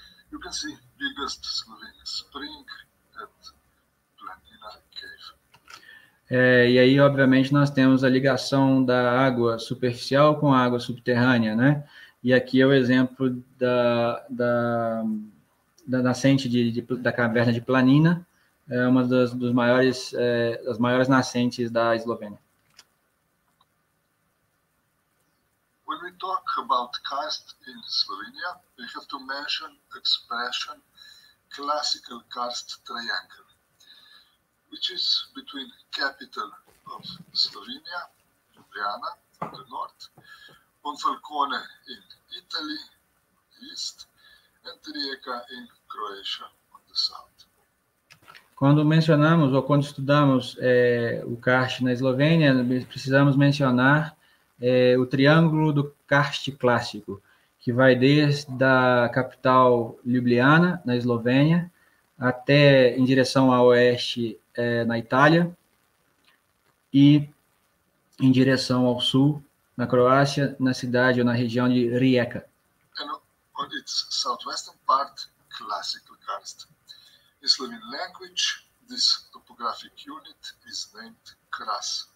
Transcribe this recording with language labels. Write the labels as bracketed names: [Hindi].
[English] You can see biggest Slovene spring at Planina Cave. [Portuguese] E aí, obviamente, nós temos a ligação da água superficial com a água subterrânea, né? E aqui é o exemplo da nascente da caverna de Planina, é uma das maiores nascentes da Eslovênia. [English] When we talk about karst in Slovenia, we have to mention expression classical karst triangle, which is between capital of Slovenia, Ljubljana, on the north, Monfalcone in Italy, on the east, and Rijeka in Croatia, on the south. [Portuguese] Quando mencionamos ou quando estudamos o karst na Eslovênia, precisamos mencionar o triângulo do karst clássico, que vai desde da capital Ljubljana, na Eslovênia, até em direção ao oeste, na Itália, e em direção ao sul, na Croácia, na cidade ou na região de Rijeka. [English] And on its southwestern part, classical karst. In Slovene language, this topographic unit is named Kras.